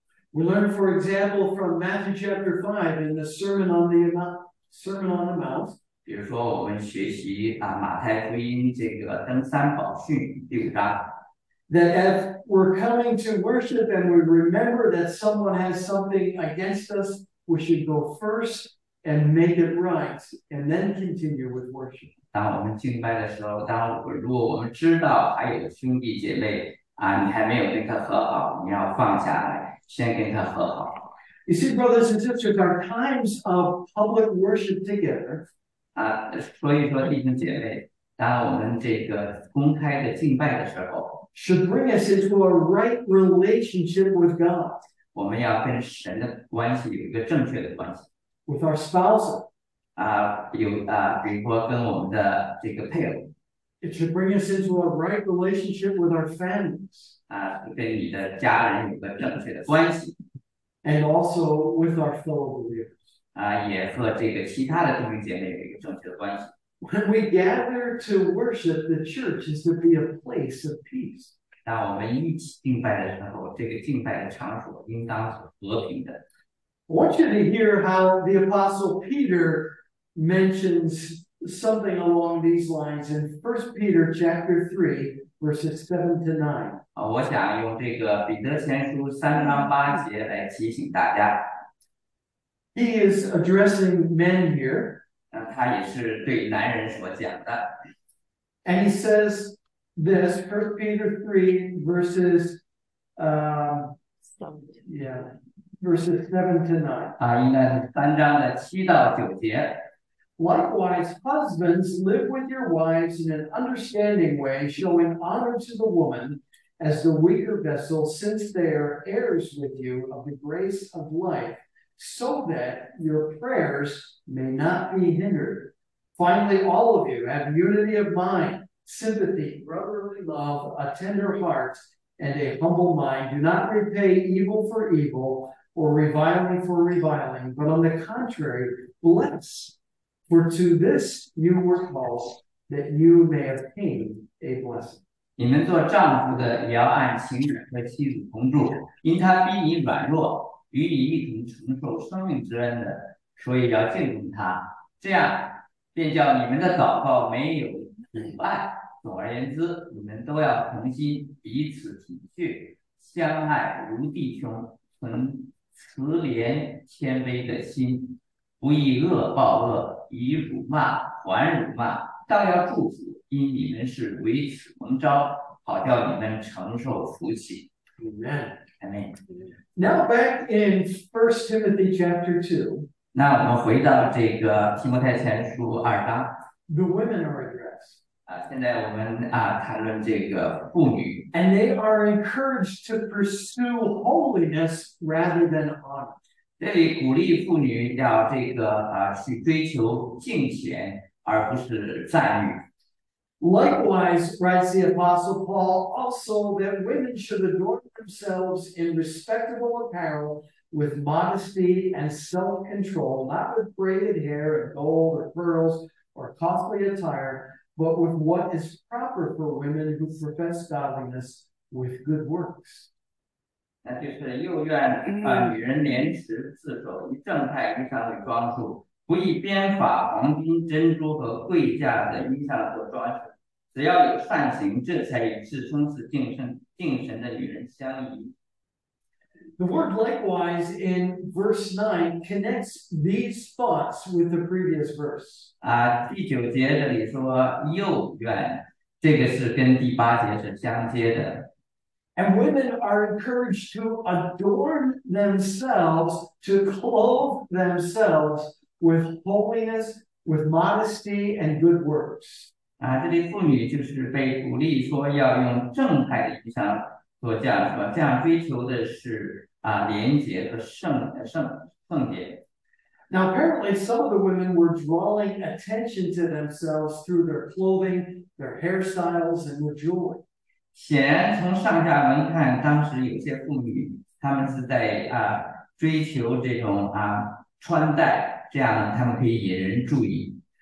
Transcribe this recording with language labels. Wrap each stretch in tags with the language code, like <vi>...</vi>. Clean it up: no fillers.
<en>We learn, for example, from Matthew chapter 5 in the Sermon on the Mount.</en> <zh>比如说，我们学习马太福音这个登山宝训第五章。</zh> <en>That if we're coming to worship and we remember that someone has something against us, we should go first and make it right and then continue with worship.</en> <zh>当我们敬拜的时候，如果我们知道还有兄弟姐妹你还没有跟他和好，你要放下来，先跟他和好。</zh> <en>You see, brothers and sisters, our times of public worship together,</en> <zh>所以说弟兄姐妹，当我们这个公开的敬拜的时候，</zh> <en>should bring us into a right relationship with God.</en> <zh>我们要跟神的关系有一个正确的关系。</zh> <en>With our spouses.</en> <zh>比如说跟我们的这个配偶。</zh> <en>It should bring us into a right relationship with our families.</en> <zh>跟你的家人有个正确的关系。</zh> <en>And also with our fellow believers.</en> <zh>也和这个其他的弟兄姐妹有一个正确的关系。</zh> <en>When we gather to worship, the church is to be a place of peace.</en> <zh>当我们一起敬拜的时候，这个敬拜的场所应当是和平的。</zh> <en>I want you to hear how the Apostle Peter mentions something along these lines in 1 Peter chapter 3, verses 7 to 9.</en> <zh>我想用这个彼得前书三章八节来提醒大家。</zh> <en>He is addressing men here.</en> <zh>他也是对男人所讲的。</zh> <en>And he says this, 1 Peter 3, verses, verses 7 to 9.</en> <zh>应该是三章的7到9节。</zh> <en>Likewise, husbands, live with your wives in an understanding way, showing honor to the woman as the weaker vessel, since they are heirs with you of the grace of life, so that your prayers may not be hindered. Finally, all of you have unity of mind, sympathy, brotherly love, a tender heart, and a humble mind. Do not repay evil for evil or reviling for reviling, but on the contrary, bless. For to this you were called, that you may obtain a blessing.</en> <zh>你们做丈夫的也要按情愿和妻子同住，因他比你软弱，与你一同承受生命之恩的，所以要敬重他，这样便叫你们的祷告没有阻碍。总而言之，你们都要同心，彼此体恤，相爱如弟兄，存慈怜谦卑的心，不以恶报恶，以辱骂还辱骂，倒要祝福。因你们是为此蒙召，好叫你们承受福气。</zh> <en>Amen.</en> <zh>Amen。</zh> <en>Now back in 1 Timothy chapter 2,</en> <zh>那我们回到这个提摩太前书二章。</zh> <en>the women are addressed.</en> <zh>现在我们谈论这个妇女。</zh> <en>And they are encouraged to pursue holiness rather than honor.</en> <zh>这里鼓励妇女要这个去追求敬虔，而不是赞誉。</zh> <en>Likewise, writes the Apostle Paul, also that women should adorn themselves in respectable apparel with modesty and self-control, not with braided hair and gold or pearls or costly attire, but with what is proper for women who profess godliness with good works.</en> <zh>那就是又愿女人廉耻自守，以正派衣裳为装束，不以编法、黄金、珍珠和贵价的衣裳做装饰。只要有善行，这才与自称是敬神的女人相宜。</zh> <en>The word likewise in verse 9 connects these thoughts with the previous verse.</en> <zh>第9节这里说又愿，这个是跟第8节是相接的。</zh> <en>And women are encouraged to adorn themselves, to clothe themselves with holiness, with modesty, and good works.</en> <zh>这类妇女就是被鼓励说要用正派的衣裳做嫁妆，这样追求的是廉洁和圣洁。</zh> <en>Now, apparently, some of the women were drawing attention to themselves through their clothing, their hairstyles, and their jewelry.</en> <zh>显然，从上下文看，当时有些妇女她们是在追求这种穿戴，这样她们可以引人注意。</zh>